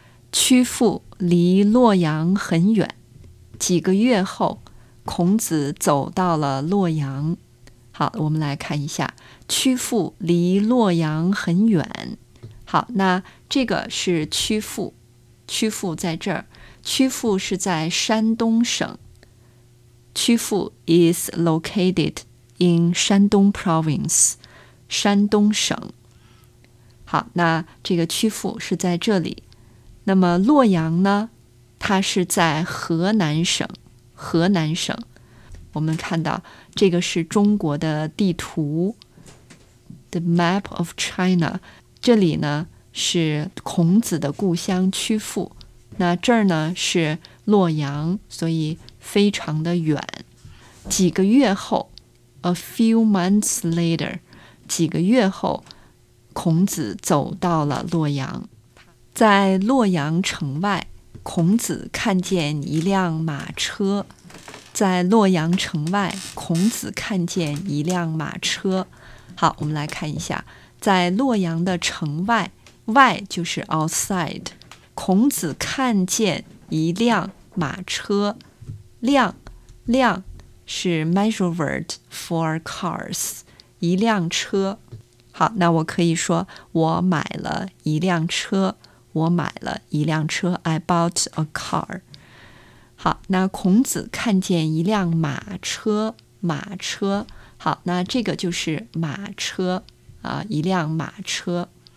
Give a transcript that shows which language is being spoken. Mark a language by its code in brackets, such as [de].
[zh] 趋父离洛阳很远，几个月后孔子走到了洛阳。好，我们来看一下，趋父离洛阳很远。好，那这个是趋父，趋父在这儿，趋父是在山东省。 [en] 趋父 is located in 山东 province, 山东省。 [zh] 好，那这个趋父是在这里。那么洛阳呢，它是在河南省，河南省。我们看到这个是中国的地图 [en] The map of China, [zh] 这里呢是孔子的故乡曲阜，那这儿呢是洛阳，所以非常的远。几个月后 [en] A few months later, [zh] 几个月后孔子走到了洛阳。在洛阳城外，孔子看见一辆马车。在洛阳城外，孔子看见一辆马车。好，我们来看一下，在洛阳的城外，外就是 outside, 孔子看见一辆马车。辆是 [en] measure word for cars, [zh] 一辆车。好，那我可以说我买了一辆车，我买了一辆车， [en] I bought a car。 [zh] 好，那孔子看见一辆马车，马车。好，那这个就是马车啊，一辆马车。